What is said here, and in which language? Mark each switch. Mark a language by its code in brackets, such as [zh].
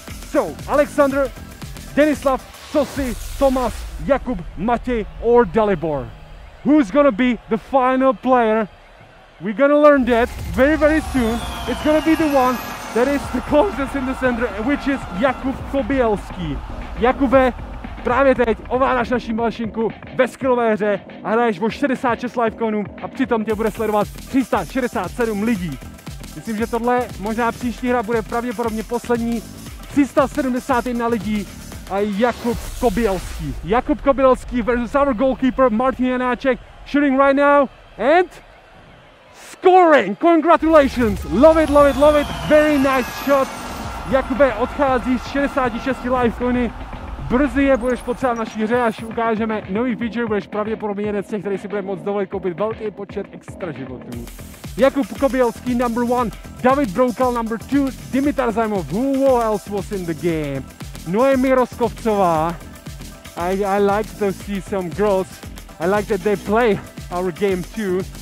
[en] So, Aleksandr, Denislav, Sosy, Tomas, Jakub, Matěj or Dalibor. Who's gonna be the final player? We're gonna learn that very, very soon. It's gonna be the one that is the closest in the center, which is Jakub Kobielský. [cs] Jakube, právě teď ovládáš naši mašinku ve skillové hře a hraješ o 66 life coinů a přitom tě bude sledovat 367 lidí. Myslím, že tohle možná příští hra bude pravděpodobně poslední. 371 lidí a Jakub Kobielský. [en] Jakub Kobielský versus our goalkeeper Martin Janacek, shooting right now and scoring! Congratulations! Love it, love it, love it! Very nice shot! [cs] Jakube, odchází z 66 life coiny. Brzy je budeš potřebovat v naší hře, až ukážeme nový feature, budeš pravděpodobně jeden z těch, který si bude moct dovolit koupit velký počet extra životů. [en] Jakub Kobielský number one, David Broukal number two, Dimitar Zajmov, who else was in the game? Noemi Roskovcová. I like to see some girls. I like that they play our game too.